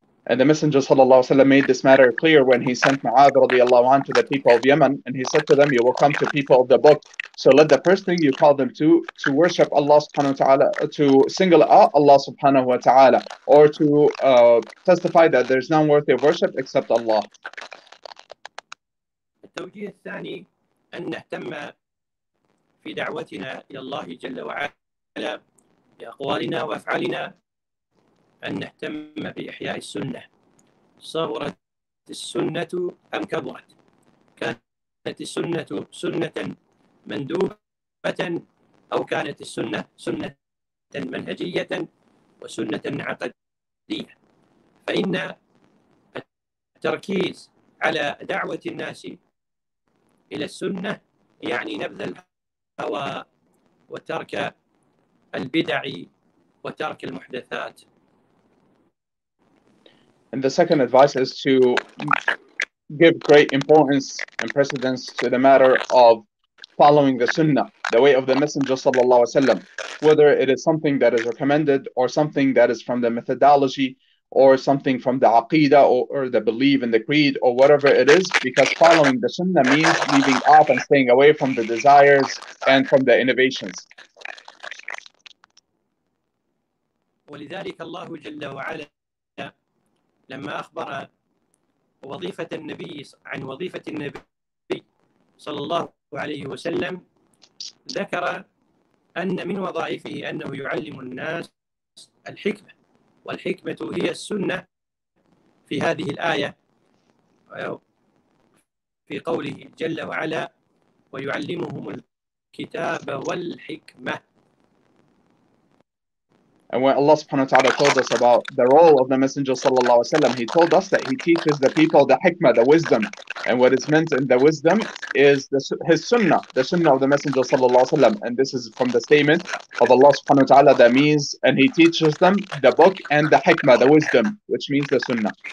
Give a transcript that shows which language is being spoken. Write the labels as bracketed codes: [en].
[en] And the Messenger sallallahu alayhi wa sallam made this matter clear when he sent Mu'adh radiallahu anhu to the people of Yemen, and he said to them, you will come to people of the book. So let the first thing you call them to worship Allah subhanahu wa ta'ala, to single out Allah subhanahu wa ta'ala, or to testify that there's none worthy of worship except Allah. [ar] التوجيه الثاني أن نهتم في دعوتنا إلى الله جل وعلا بأقوالنا وأفعالنا أن نهتم بإحياء السنة. صغرت السنة أم كبرت؟ كانت السنة سنة مندوبة أو كانت السنة سنة منهجية وسنة عقدية؟ فإن التركيز على دعوة الناس إلى السنة يعني نبذ الهوى وترك البدع وترك المحدثات. [en] And the second advice is to give great importance and precedence to the matter of following the sunnah, the way of the Messenger sallallahu alaihi wasallam, whether it is something that is recommended or something that is from the methodology or something from the aqidah or the belief in the creed or whatever it is, because following the sunnah means leaving off and staying away from the desires and from the innovations. [ar] ولذلك الله جل وعلا لما أخبر وظيفة النبي عن وظيفة النبي صلى الله عليه وسلم ذكر أن من وظائفه أنه يعلم الناس الحكمة، والحكمة هي السنة في هذه الآية في قوله جل وعلا ويعلمهم الكتاب والحكمة. [en] And when Allah subhanahu wa ta'ala told us about the role of the Messenger sallallahu alaihi wasallam, he told us that he teaches the people the hikmah, the wisdom. And what is meant in the wisdom is his sunnah, the sunnah of the Messenger sallallahu alaihi wasallam. And this is from the statement of Allah subhanahu wa ta'ala that means, and he teaches them the book and the hikmah, the wisdom, which means the sunnah.